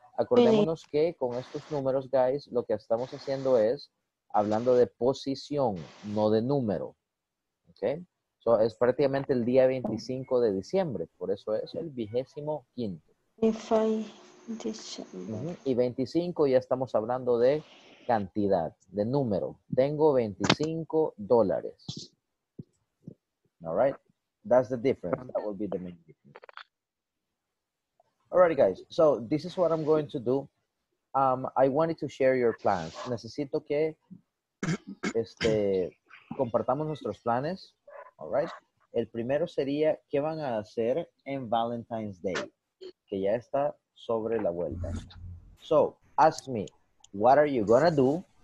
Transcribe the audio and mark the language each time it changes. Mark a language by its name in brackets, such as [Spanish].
[Spanish] Acordémonos que con estos números, guys, lo que estamos haciendo es hablando de posición, no de número. [English] Okay? [Spanish] So es prácticamente el día 25 de diciembre, por eso es el 25. Y 25 ya estamos hablando de cantidad, de número. Tengo $25. [English] All right? That's the difference. That will be the main difference. All Alrighty, guys. So this is what I'm going to do. I wanted to share your plans. [Spanish] Necesito que compartamos nuestros planes. [English] All right. [Spanish] El primero sería, ¿qué van a hacer en Valentine's Day? Que ya está sobre la vuelta. [English] So, ask me, what are you gonna do?